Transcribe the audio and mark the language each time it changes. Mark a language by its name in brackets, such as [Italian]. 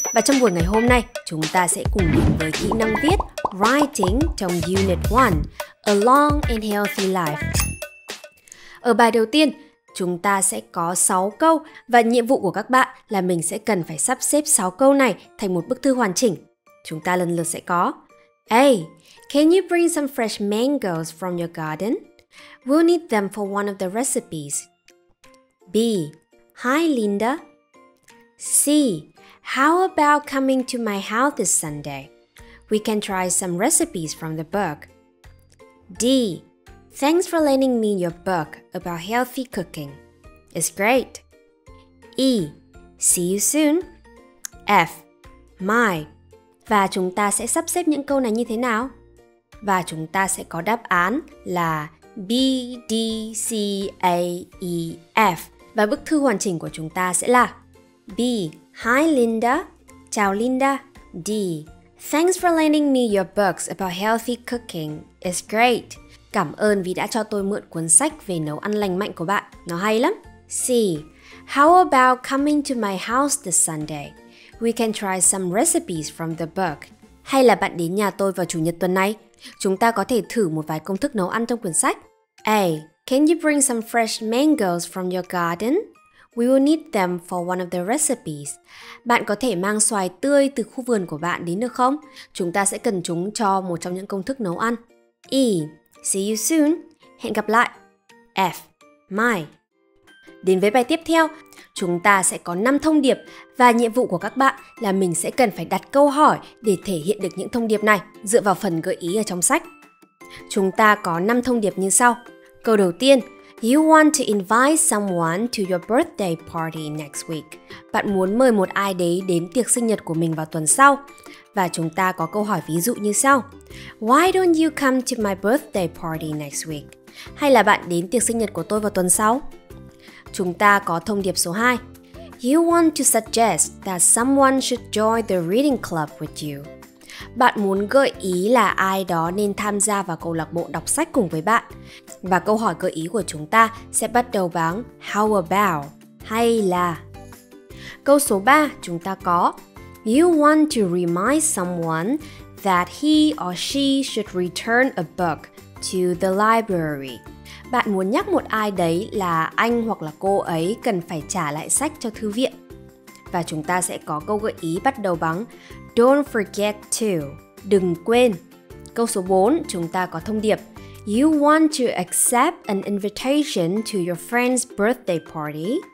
[Vietnamese] Và trong buổi ngày hôm nay, chúng ta sẽ cùng đến với kỹ năng viết Writing trong Unit 1 A Long and Healthy Life. Ở bài đầu tiên, chúng ta sẽ có 6 câu và nhiệm vụ của các bạn là mình sẽ cần phải sắp xếp 6 câu này thành một bức thư hoàn chỉnh. Chúng ta lần lượt sẽ có A. [English] Can you bring some fresh mangoes from your garden? We'll need them for one of the recipes. B. Hi, Linda. C. How about coming to my house this Sunday? We can try some recipes from the book. D. Thanks for lending me your book about healthy cooking. It's great. E. See you soon. F. My. [Vietnamese] Và chúng ta sẽ sắp xếp những câu này như thế nào? Và chúng ta sẽ có đáp án là B, D, C, A, E, F. Và bức thư hoàn chỉnh của chúng ta sẽ là B. [English] Hi Linda. [Vietnamese] Chào Linda. [English] D. Thanks for lending me your books about healthy cooking. It's great. [Vietnamese] Cảm ơn vì đã cho tôi mượn cuốn sách về nấu ăn lành mạnh của bạn. Nó hay lắm. C. [English] How about coming to my house this Sunday? We can try some recipes from the book. [Vietnamese] Hay là bạn đến nhà tôi vào chủ nhật tuần này? Chúng ta có thể thử một vài công thức nấu ăn trong quyển sách. A. [English] Can you bring some fresh mangoes from your garden? We will need them for one of the recipes. [Vietnamese] Bạn có thể mang xoài tươi từ khu vườn của bạn đến được không? Chúng ta sẽ cần chúng cho một trong những công thức nấu ăn. [English] E. See you soon. [Vietnamese] Hẹn gặp lại. [English] F. Mai. [Vietnamese] Đến với bài tiếp theo, chúng ta sẽ có 5 thông điệp và nhiệm vụ của các bạn là mình sẽ cần phải đặt câu hỏi để thể hiện được những thông điệp này dựa vào phần gợi ý ở trong sách. Chúng ta có 5 thông điệp như sau. Câu đầu tiên, [English] You want to invite someone to your birthday party next week. [Vietnamese] Bạn muốn mời một ai đấy đến tiệc sinh nhật của mình vào tuần sau. Và chúng ta có câu hỏi ví dụ như sau. [English] Why don't you come to my birthday party next week? [Vietnamese] Hay là bạn đến tiệc sinh nhật của tôi vào tuần sau? Chúng ta có thông điệp số 2. [English] You want to suggest that someone should join the reading club with you. [Vietnamese] Bạn muốn gợi ý là ai đó nên tham gia vào câu lạc bộ đọc sách cùng với bạn. Và câu hỏi gợi ý của chúng ta sẽ bắt đầu bằng [English] how about [Vietnamese] hay là. Câu số 3 chúng ta có [English] You want to remind someone that he or she should return a book to the library. [Vietnamese] Bạn muốn nhắc một ai đấy là anh hoặc là cô ấy cần phải trả lại sách cho thư viện. Và chúng ta sẽ có câu gợi ý bắt đầu bằng [English] Don't forget to. [Vietnamese] Đừng quên. Câu số 4, chúng ta có thông điệp [English] You want to accept an invitation to your friend's birthday party.